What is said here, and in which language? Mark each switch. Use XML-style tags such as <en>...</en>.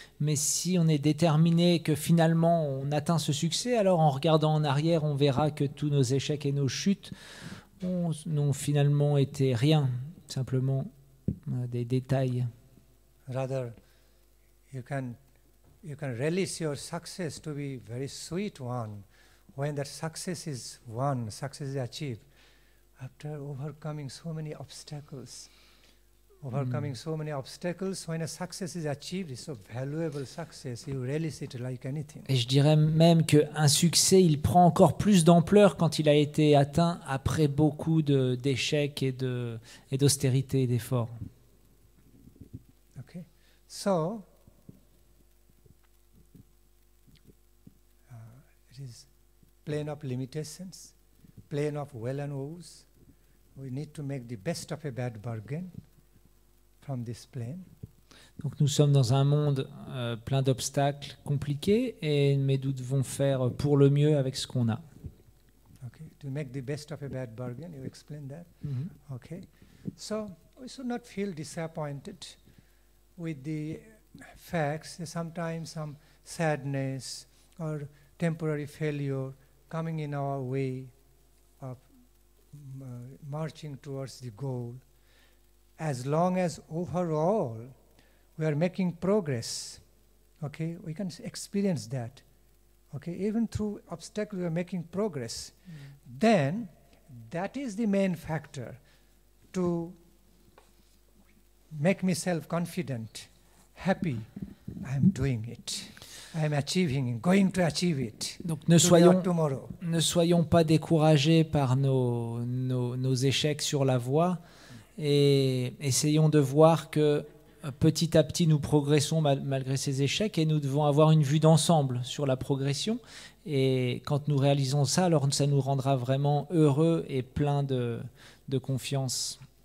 <fr>Mais si on est déterminé que finalement on atteint ce succès, alors en regardant en arrière, on verra que tous nos échecs et nos chutes n'ont finalement été rien, simplement des détails.</fr> <en>Rather, you can release your success to be very sweet one when that success is won, success is achieved. After overcoming so many obstacles, so many obstacles, when a success is achieved, it's a valuable success. You release it like anything.</en> <fr>Et je dirais même que un succès, il prend encore plus d'ampleur quand il a été atteint après beaucoup d'échecs et d'austérité et d'efforts.</fr> <en>Okay. So, it is plane of limitations, plane of well and woes. We need to make the best of a bad bargain from this plane.</en> <fr>Donc nous sommes dans un monde plein d'obstacles compliqués, mais nous devons faire pour le mieux avec ce qu'on a.</fr> <en>Okay, to make the best of a bad bargain, you explain that. Mm-hmm. Okay, so we should not feel disappointed with the facts. Sometimes some sadness or temporary failure coming in our way of marching towards the goal, as long as overall we are making progress, okay, we can experience that, okay, even through obstacles we are making progress, then that is the main factor to make myself confident, happy, I am doing it. I'm achieving, going to achieve it.</en> <fr>Donc ne soyons pas découragés par nos échecs sur la voie et essayons de voir que petit à petit nous progressons malgré ces échecs et nous devons avoir une vue d'ensemble sur la progression et quand nous réalisons ça, alors ça nous rendra vraiment heureux et plein de confiance.</fr>